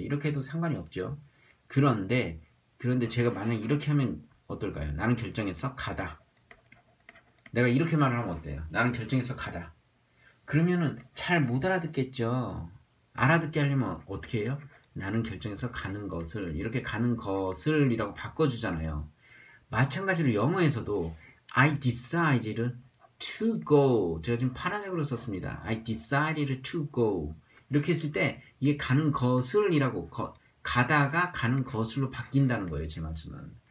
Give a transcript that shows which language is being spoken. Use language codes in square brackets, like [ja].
[ko] 이렇게 해도 상관이 없죠. 그런데 제가 만약 이렇게 하면 어떨까요? 나는 결정해서 가다. 내가 이렇게 말을 하면 어때요? 나는 결정해서 가다. 그러면은 잘못 알아듣겠죠. 알아듣게 하려면 어떻게 해요? 나는 결정해서 가는 것을, 이렇게 가는 것을 이라고 바꿔주잖아요. 마찬가지로 영어에서도 [en] I decided to go. [ko] 제가 지금 파란색으로 썼습니다. [en] I decided to go. [ko] 이렇게 했을 때 이게 가는 것을 이라고 가다가 가는 것으로 바뀐다는 거예요, 제 말씀은.